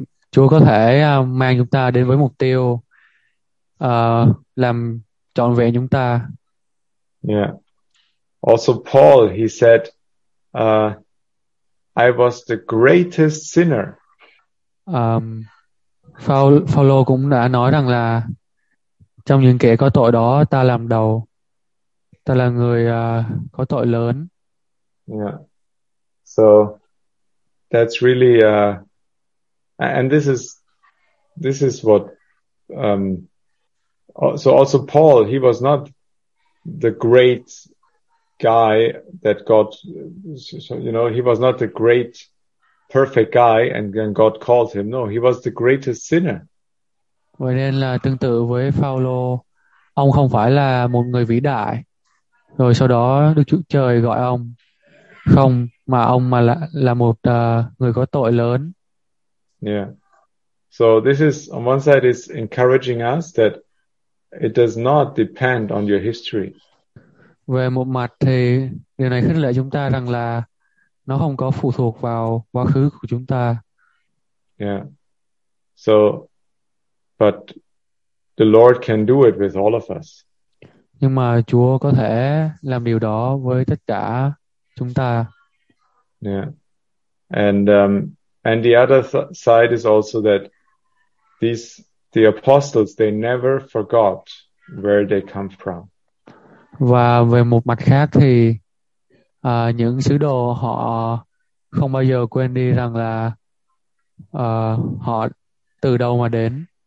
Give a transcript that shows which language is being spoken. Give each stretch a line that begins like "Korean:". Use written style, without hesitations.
Vietnamese: Chúa có thể mang chúng ta đến với mục tiêu làm trọn vẹn chúng ta.
English: Yeah. Also Paul, he said I was the greatest sinner.
Vietnamese: Phaolô cũng đã nói rằng là trong những kẻ có tội đó ta làm đầu. Ta là người có tội lớn.
English: Yeah. So that's really and this is what so also Paul, he was not the great guy that God, so, you know, he was not the great perfect guy and then God called him. No, he was the greatest sinner.
Vietnamese: Vậy nên là tương tự với Phaolô, ông không phải là một người vĩ đại. Rồi sau đó Đức Chúa Trời gọi ông. Không, mà ông mà là một người có tội lớn.
English: Yeah. So this is, on one side, is encouraging us that it does not depend on your history.
Vietnamese: Về một mặt thì điều này khích lệ chúng ta rằng là nó không có phụ thuộc vào quá khứ của chúng ta.
English: Yeah. So, but the Lord can do it with all of us.
Vietnamese: Nhưng mà Chúa có thể làm điều đó với tất cả chúng ta.
English: Yeah. And the other side is also that the apostles, they never forgot where they come from.
Vietnamese: Và về một mặt khác thì những sứ đồ họ không bao giờ quên đi rằng là họ từ đâu mà đến.